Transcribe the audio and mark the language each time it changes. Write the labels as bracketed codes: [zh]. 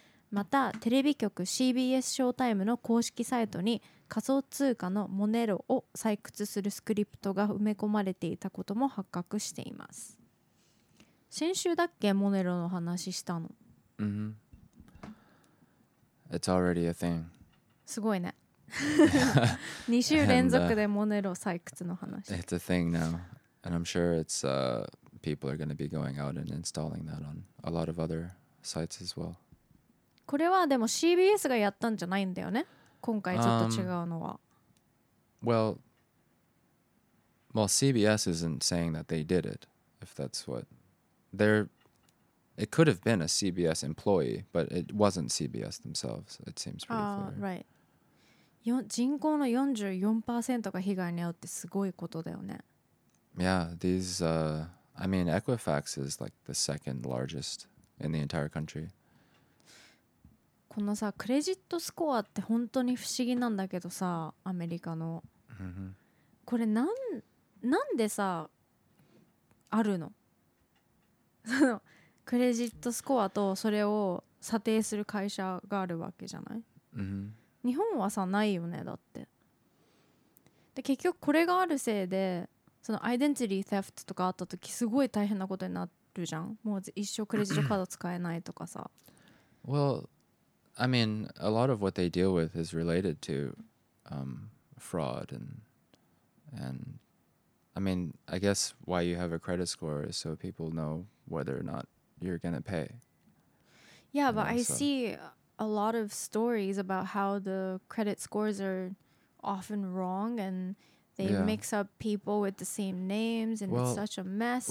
[ja] またテレビ局 CBS ショータイムの公式サイトに仮想通貨のモネロを採掘するスクリプトが埋め込まれていたことも発覚しています。先週だっけ、モネロの話したの。 [en] うん、mm-hmm. It's already a thing. [ja] すごいね。二週連続でモネロ採掘の話。 [en] It's a thing now, and I'm sure it's people are going to be going out and installing that on a lot of other sites as well. [ja] これはでも CBS がやったんじゃないんだよね。今回ちょっと違うのは。 [en] Well, CBS isn't saying that they did it. If that's what they're It could have been a CBS employee, but it wasn't CBS themselves. It seems pretty clear. Right. [ja] 人口の 44% が被害に遭うってすごいことだよね。 [en] Yeah, these... I mean, Equifax is like the second largest in the entire country. [ja] このさ、クレジットスコアって本当に不思議なんだけどさ、アメリカの。これなんでさ、あるの？その、クレジットスコアとそれを査定する会社があるわけじゃない、 mm-hmm. 日本はさないよね。だってで結局これがあるせいでそのアイデンティティーセフトとかあった時すごい大変なことになるじゃん。もう一生クレジットカード使えないとかさ。 [en] Well, I mean, a lot of what they deal with is related to fraud and I mean, I guess why you have a credit score is so people know whether or not you're gonna pay. Yeah, but I see a lot of stories about how the credit scores are often wrong and they mix up people with the same names and it's such a mess.